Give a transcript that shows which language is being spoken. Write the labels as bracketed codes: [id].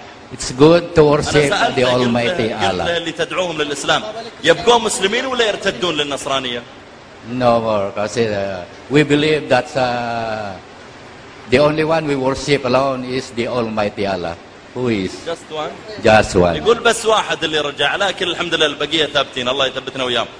[en] It's good to worship the Almighty Allah. [ar] قلت اللي تدعوهم للإسلام يبقون مسلمين ولا يرتدون للنصرانية؟ [en] No more. Because we believe that the only one we worship alone is the Almighty Allah. Who is? Just one. Just one. [ar] يقول بس واحد اللي رجع لكن الحمد لله البقية ثابتين الله يثبتنا وياهم.